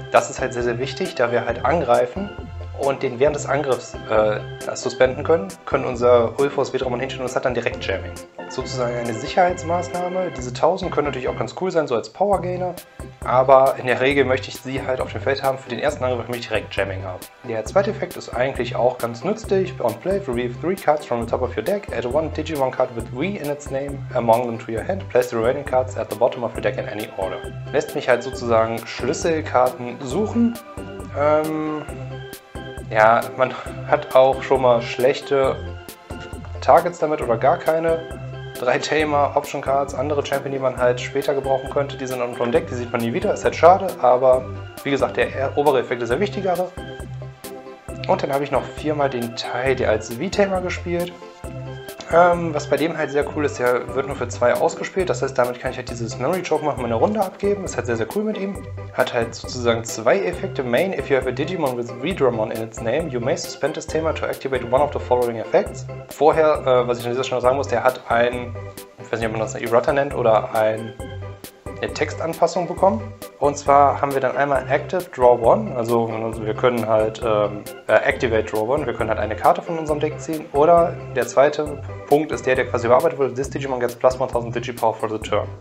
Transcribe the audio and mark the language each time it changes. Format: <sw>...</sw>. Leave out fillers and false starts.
<de>Das ist halt sehr, sehr wichtig, da wir halt angreifen und den während des Angriffs suspenden können unser Ulfors V-Dramon hinstellen und es hat dann direkt Jamming. Sozusagen eine Sicherheitsmaßnahme. Diese 1000 können natürlich auch ganz cool sein, so als Power-Gainer, aber in der Regel möchte ich sie halt auf dem Feld haben. Für den ersten Angriff möchte ich direkt Jamming haben. Der zweite Effekt ist eigentlich auch ganz nützlich.</de> <en>On play, reveal 3 cards from the top of your deck. Add one Digimon card with V in its name among them to your hand. Place the remaining cards at the bottom of your deck in any order.</en> <de>Lässt mich halt sozusagen Schlüsselkarten suchen. Ja, man hat auch schon mal schlechte Targets damit oder gar keine. 3 Tamer, Option Cards, andere Champion, die man halt später gebrauchen könnte, die sind unten im Deck, die sieht man nie wieder, ist halt schade, aber wie gesagt, der obere Effekt ist der wichtigere. Und dann habe ich noch 4-mal den Tai als V-Tamer gespielt. Was bei dem halt sehr cool ist, der wird nur für zwei ausgespielt. Das heißt, damit kann ich halt dieses Memory Choke machen, meine Runde abgeben. Ist halt sehr, sehr cool mit ihm. Hat halt sozusagen zwei Effekte.</de> <en>Main, if you have a Digimon with Redramon in its name, you may suspend this Tamer to activate one of the following effects.</en> <de>Vorher, was ich an dieser Stelle sagen muss, der hat ein, ich weiß nicht, ob man das eine Errata nennt oder eine Textanpassung bekommen. Und zwar haben wir dann einmal Active Draw One, also wir können halt Activate Draw One, wir können halt eine Karte von unserem Deck ziehen. Oder der zweite Punkt ist der quasi überarbeitet wurde,</de> <en>this Digimon gets plus 1000 Digipower for the turn.</en>